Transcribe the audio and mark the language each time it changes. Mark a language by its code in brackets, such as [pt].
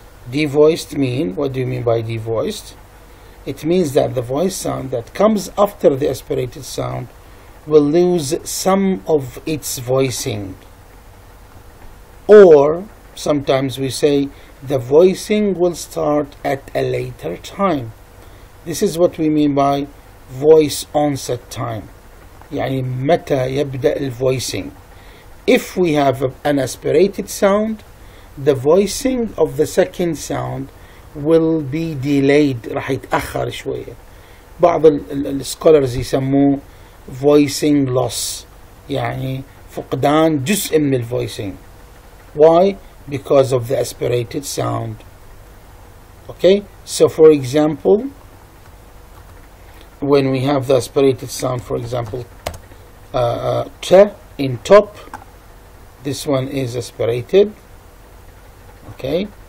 [en] Devoiced mean, what do you mean by devoiced? It means that the voice sound that comes after the aspirated sound will lose some of its voicing. Or sometimes we say the voicing will start at a later time. This is what we mean by voice onset time. [ar] يعني متى يبدأ الفويسينج. [en] If we have an aspirated sound, the voicing of the second sound will be delayed. [ar] راح يتأخر شوية. بعض الscholars يسموه [en] voicing loss. [ar] يعني فقدان جزء من الفويسينج. [en] Why? Because of the aspirated sound. Okay? So for example, when we have the aspirated sound, for example, T in top, this one is aspirated. Okay?